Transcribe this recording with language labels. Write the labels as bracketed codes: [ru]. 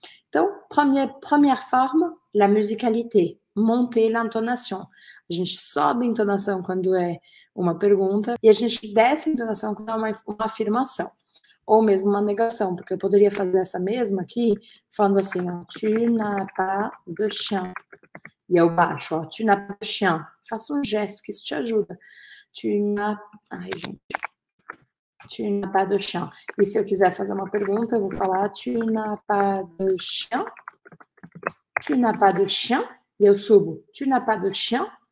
[fr] Então, première forme, la musicalité, monter l'intonation. [pt] A gente sobe a entonação quando é uma pergunta e a gente desce a entonação quando é uma afirmação. Ou mesmo uma negação, porque eu poderia fazer essa mesma aqui, falando assim, ó, [fr] tu n'as pas de chien. [pt] E eu baixo, ó, [fr] tu n'as pas de chien. [pt] Faço um gesto que isso te ajuda. [fr] Tu n'as, [pt] ai, gente. [fr] Tu n'as pas de chien. [pt] E se eu quiser fazer uma pergunta, eu vou falar, [fr] tu n'as pas de chien. Tu n'as pas de chien. [pt] E eu subo, [fr] tu n'as pas de chien.